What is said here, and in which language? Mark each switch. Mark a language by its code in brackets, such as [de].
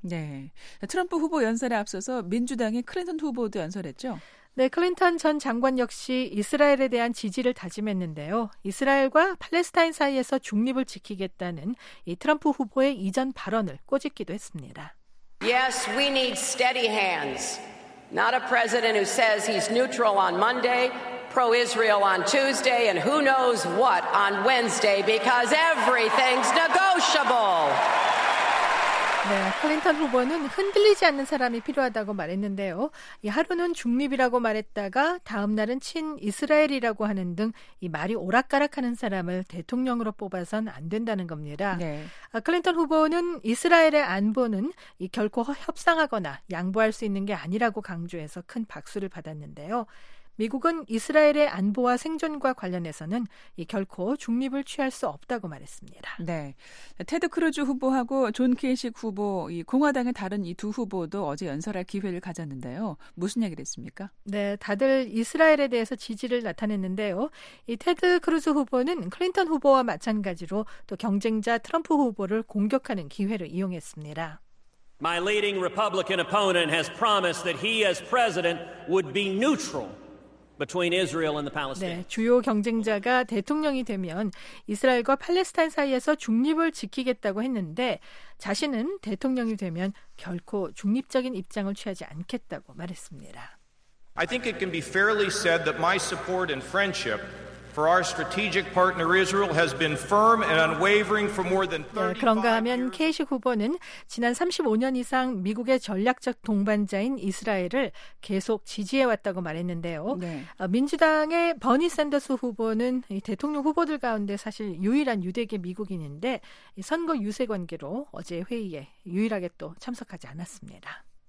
[ko] 네, 트럼프 후보 연설에 앞서서 민주당의 클린턴 후보도 연설했죠? 네, 클린턴 전 장관 역시 이스라엘에 대한 지지를 다짐했는데요. 이스라엘과 팔레스타인 사이에서 중립을 지키겠다는 이 트럼프 후보의 이전 발언을 꼬집기도 했습니다. [en] Yes, we need steady hands. Not a president who says he's neutral on Monday, pro-Israel on Tuesday, and who knows what on Wednesday, because everything's negotiable. [ko] 네, 클린턴 후보는 흔들리지 않는 사람이 필요하다고 말했는데요. 이 하루는 중립이라고 말했다가 다음 날은 친이스라엘이라고 하는 등 이 말이 오락가락하는 사람을 대통령으로 뽑아선 안 된다는 겁니다. 네. 클린턴 후보는 이스라엘의 안보는 이 결코 협상하거나 양보할 수 있는 게 아니라고 강조해서 큰 박수를 받았는데요. 미국은 이스라엘의 안보와 생존과 관련해서는 결코 중립을 취할 수 없다고 말했습니다. 네, 테드 크루즈 후보하고 존 케이식 후보, 이 공화당의 다른 이 두 후보도 어제 연설할 기회를 가졌는데요. 무슨 얘기를 했습니까? 네, 다들 이스라엘에 대해서 지지를 나타냈는데요. 이 테드 크루즈 후보는 클린턴 후보와 마찬가지로 또 경쟁자 트럼프 후보를 공격하는 기회를 이용했습니다. [en] My leading Republican opponent has promised that he as president would be neutral. Between Israel and the Palestinians. [ko] 네, 주요 경쟁자가 대통령이 되면 이스라엘과 팔레스타인 사이에서 중립을 지키겠다고 했는데 자신은 대통령이 되면 결코 중립적인 입장을 취하지 않겠다고 말했습니다. [en] I think it can be fairly said that my support and friendship for our strategic partner Israel has been firm and unwavering for more than 35 years. [ko] 그런가 하면 케이시 후보는 지난 35년 이상 미국의 전략적 동반자인 이스라엘을 계속 지지해왔다고 말했는데요. 네. 민주당의 버니 샌더스 후보는 대통령 후보들 가운데 사실 유일한 유대계 미국인인데 선거 유세 관계로 어제 회의에 유일하게 또 참석하지 않았습니다.